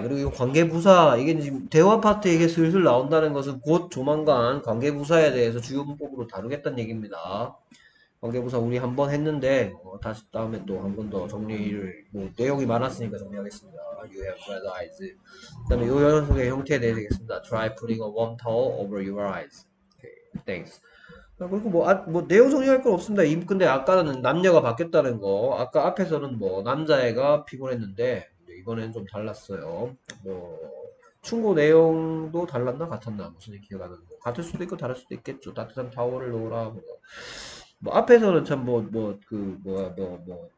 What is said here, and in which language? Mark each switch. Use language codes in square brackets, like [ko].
[ko] 그리고 관계부사, 이게 지금 대화 파트에 이게 슬슬 나온다는 것은 곧 조만간 관계부사에 대해서 주요 문법으로 다루겠다는 얘기입니다. 관계부사 우리 한번 했는데, 다시 다음에 또한번더 정리를, 뭐, 내용이 많았으니까 정리하겠습니다. [en] You have red eyes. [ko] 그 다음에 요 연속의 형태에 대해서 얘기했습니다. [en] Try putting a warm towel over your eyes. Okay. Thanks. [ko] 그리고 뭐, 아, 뭐, 내용 정리할 건 없습니다. 근데 아까는 남녀가 바뀌었다는 거, 아까 앞에서는 뭐, 남자애가 피곤했는데, 이번엔 좀 달랐어요. 뭐 충고 내용도 달랐나 같았나 무슨 기억하는 거. 같을 수도 있고 다를 수도 있겠죠. 따뜻한 타월을 놓으라 뭐. 뭐 앞에서는 참뭐뭐그 뭐야 뭐뭐 뭐.